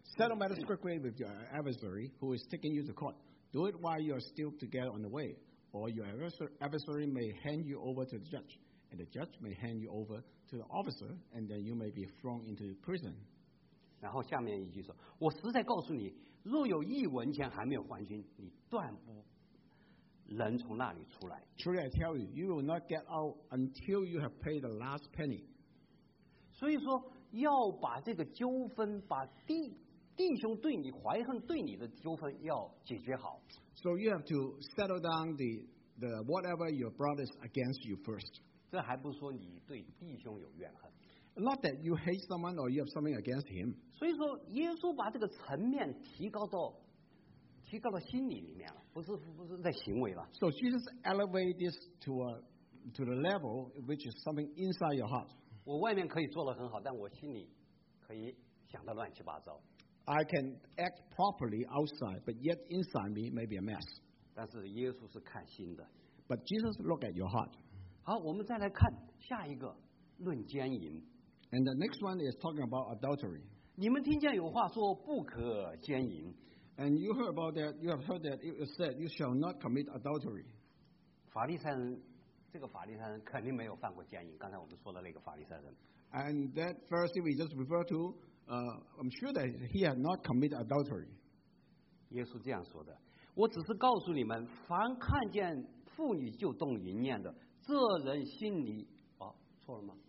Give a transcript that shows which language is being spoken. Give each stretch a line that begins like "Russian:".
English: Settle matters quickly with your adversary who is taking you to court. Do it while you are still together on the way, or your adversary may hand you over to the judge, and the judge may hand you over to the officer, and then you may be thrown into prison.
Chinese: 然后下面一句说：“我实在告诉你，若有一文钱还没有还清，你断不能从那里出来。”
English: Truly I tell you, you will not get out until you have paid the last penny.
Chinese: 所以说。要把这个纠纷，把弟兄对你怀恨对你的纠纷要解决好。
English: So you have to settle down the whatever your brother is against you first.
Chinese: 这还不说你对弟兄有怨恨。
English: Not that you hate someone or you have something against him.
Chinese: 所以说，耶稣把这个层面提高到心理里面了，不是在行为了。
English: So Jesus elevate this to the level which is something inside your heart.
Chinese: 我外面可以做得很好，但我心里可以想得乱七八糟。
English: I can act properly outside, but yet inside me may be a mess.
Chinese: 但是耶稣是看心的。
English: But Jesus look at your heart.
Chinese: 好，我们再来看下一个，论奸淫。
English: And the next one is talking about adultery.
Chinese: 你们听见有话说不可奸淫。
English: And you heard about that, you have heard that it said you shall not commit adultery.
Chinese: 法利赛人，这个法利赛人肯定没有犯过奸淫，刚才我们说的那个法利赛人。
English: And that first thing we just refer to, I'm sure that he had not committed adultery.
Chinese: 耶稣这样说的，我只是告诉你们，凡看见妇女就动淫念的，这人心里，哦，错了吗？